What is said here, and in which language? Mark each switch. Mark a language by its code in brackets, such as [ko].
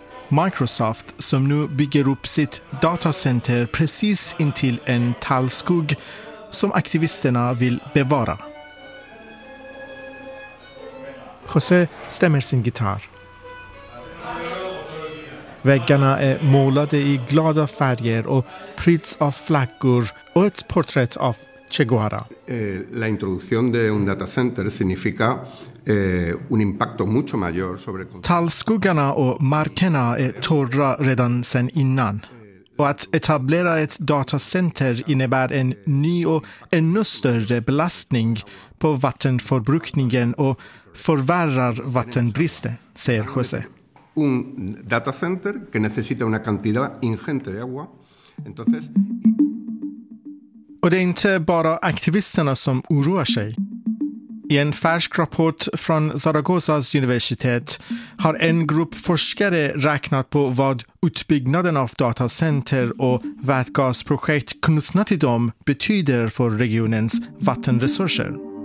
[sv] Microsoft, som nu bygger upp sitt datacenter precis intill en tallskog som aktivisterna vill bevara. José stämmer sin gitarr. Väggarna är målade i glada färger och prydda av flaggor och ett porträtt av Che Guevara. [es] La introducción de un datacenter significa un impacto mucho mayor sobre. [sv] Tallskuggarna och markerna är torra redan sedan innan. Och att etablera ett datacenter innebär en ny och ännu större belastning på vattenförbrukningen och förvärrar vattenbristen, säger José. [es] Un datacenter que necesita una cantidad ingente de agua. Entonces. [sv] Och det är inte bara aktivisterna som oroar sig. I en färsk rapport från Zaragozas universitet har en grupp forskare räknat på vad utbyggnaden av datacenter och vätgasprojekt knutna till dem betyder för regionens vattenresurser.